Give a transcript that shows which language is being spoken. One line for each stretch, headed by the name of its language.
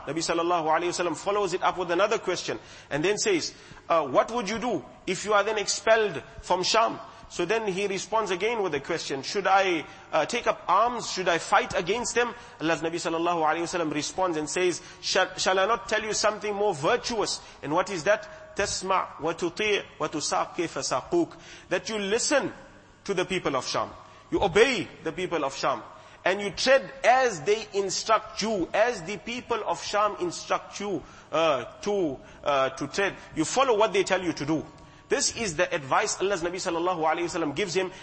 English: Nabi sallallahu alayhi wa sallam follows it up with another question and then says, what would you do if you are then expelled from Sham? So then he responds again with a question, should I take up arms? Should I fight against them? Allah's Nabi sallallahu alayhi wa sallam responds and says, shall I not tell you something more virtuous? And what is that?
Arabic: تسمع وتطيع وتساق كيف ساقوك.
English: That you listen to the people of Sham. You obey the people of Sham. And you tread as they instruct you, as the people of Sham instruct you to tread. You follow what they tell you to do. This is the advice Allah's Nabi sallallahu alayhi wa sallam gives him.